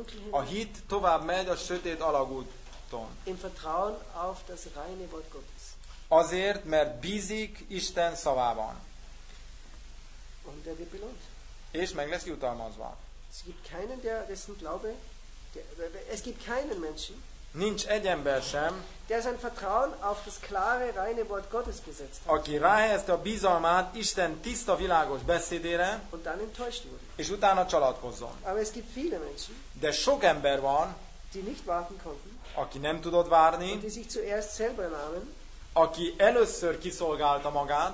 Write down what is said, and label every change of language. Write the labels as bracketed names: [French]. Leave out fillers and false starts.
[Hungarian] A hit tovább megy a sötét alagúton. [German] Im Vertrauen auf das reine Wort Gottes. [Hungarian] Azért, mert bízik Isten szavában. [German] Und der wird belohnt. [Hungarian] És meg lesz jutalmazva. [German] Es gibt keinen, der dessen Glaube, es gibt keinen Menschen, [Hungarian] nincs egy ember sem, [German] der sein Vertrauen auf das klare, reine Wort Gottes gesetzt hat. [Hungarian] Aki ráhelyezte a bizalmát Isten tiszta, világos beszédére, [German] und dann enttäuscht wurde. [Hungarian] És utána csalatkozzon. [German] Aber es gibt viele Menschen, [Hungarian] de sok ember van, [German] die nicht warten konnten, [Hungarian] aki nem tudott várni, [German] und die sich zuerst selber nahmen, [Hungarian] aki először kiszolgálta magát,